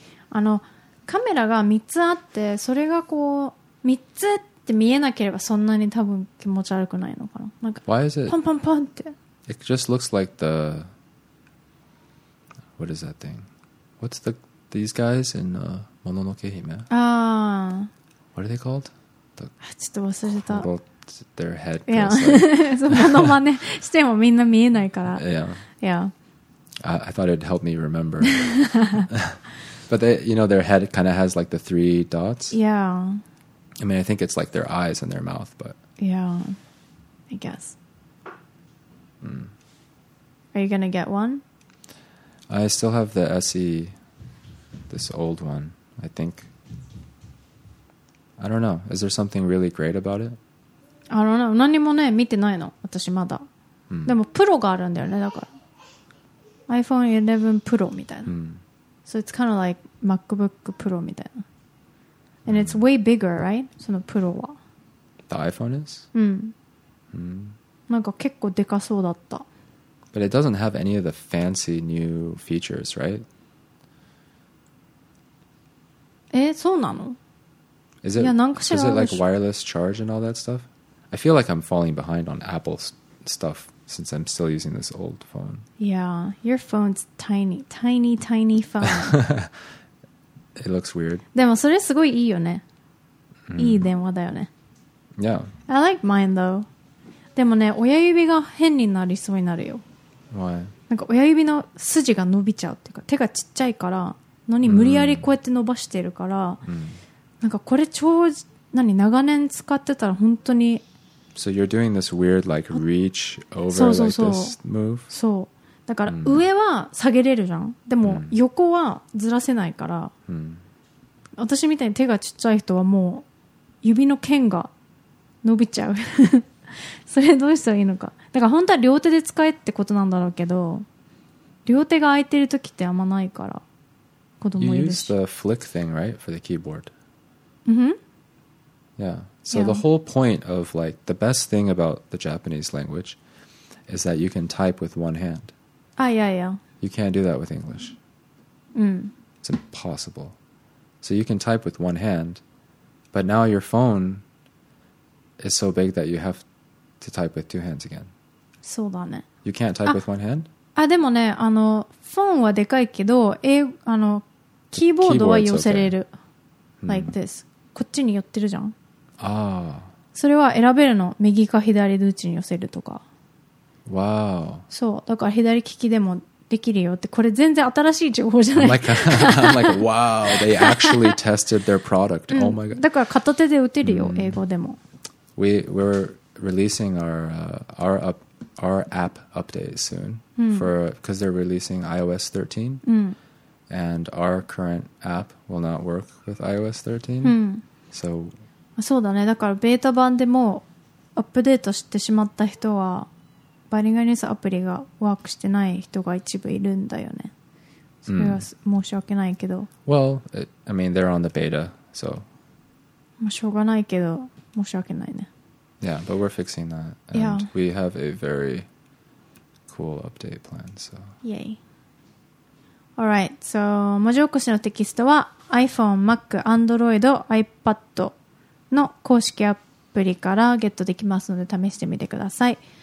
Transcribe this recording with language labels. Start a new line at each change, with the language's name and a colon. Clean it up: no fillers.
Japanese: あの、カメラが3つあって、それがこう、3つって見えなければそんなに多分気持ち悪くないのかな。なんか、
English: Why is it?
Japanese: パンパンパンって。
English: It just looks like the, what is that thing? What's these guys in Mononoke Hime? What are they called?
Japanese: ちょっと忘れた。
English: Their head. Yeah.
Japanese: そのまねしてもみんな見えないから。
English: Yeah. Yeah. I thought it'd help me remember. But they, you know, their head kind of has like the three dots. Yeah. I mean, I think it's like their eyes and their mouth, but. Yeah. I guess. Are you going to get one? I still have the SE, this old one, I think. I don't know. Is there something really great about it? I don't know.
Japanese: 何もね、見てないの、私まだ。でも、プロがあるんだよね、だから。
English: iPhone 11 Pro
Japanese: みたいな。
English: So it's kind of like MacBook Pro みたいな。 And it's way bigger, right?
Japanese: そのプロは。
English: The iPhone is?
Japanese: なんか結構でかそうだった。
English: But it doesn't have any of the fancy new features, right?
Japanese: そうなの?
English: Is it,
Japanese: いや、なんか知らないでしょ。
English: Is it like wireless charge and all that stuff? I feel like I'm falling behind on Apple stuff since I'm still using this old phone. Yeah, your phone's tiny, tiny, tiny phone. It looks weird.
Japanese: でもそれすごいいいよね。いい電話だよね。
English: Yeah. I like mine though.
Japanese: でもね、親指が変になりそうになるよ。
English: Why?
Japanese: なんか親指の筋が伸びちゃうっていうか、手がちっちゃいからのに無理やりこうやって伸ばしてるから、なんかこれ超何長年使ってたら本当に。
English: So you're doing this weird like reach over
Japanese: そうそうそう
English: like this move?
Japanese: そう。だから上は下げれるじゃん。でも横はずらせないから、私みたいに手がちっちゃい人はもう指の腱が伸びちゃう。それどうしたらいいのか。だから本当は両手で使えってことなんだろうけど、両手が空いてる時ってあんまないから子供いるし。
English: You use the flick thing, right, for the keyboard? Mm-hmm. Yeah. So the whole point of like the best thing about the Japanese language is that you can type with one hand. Ah, yeah, yeah. You can't do that with English. It's impossible. So you can type with one hand, but now your phone. It's so big that you have to type with two hands again.
Japanese: そうだね。
English: You can't type with one hand?
Japanese: あ、でもね、あのフォンはでかいけど、英語、あのキーボードは寄せれる、okay.
English: like this、
Japanese: うん、こっちに寄ってるじゃん。あ、それは選べるの、右か左どっちに寄せるとか。わあ。そう、だから左利きでもできるよって、これ全然新しい情報じゃない。
English: I'm like, I'm like, wow, they actually tested their product. Oh my god.
Japanese: だから片手で打てるよ、英語でも。
English: We're releasing our app update soon for because they're releasing iOS 13, and our current app will not work with iOS 13. So.
Japanese: そうだね。だからベータ版でもアップデートしてしまった人は。バリガニスアプリがワークしてない人が一部いるんだよね。それは申し訳ないけど。
English: Well, I mean, they're on the beta, so.
Japanese: まあしょうがないけど、申し訳ないね。
English: Yeah, but we're fixing that. And yeah. We have a very cool update plan, so. Yay. Alright, so,
Japanese: 文字起こしのテキストは iPhone, Mac, Android, iPad の公式アプリからゲットできますので試してみてください。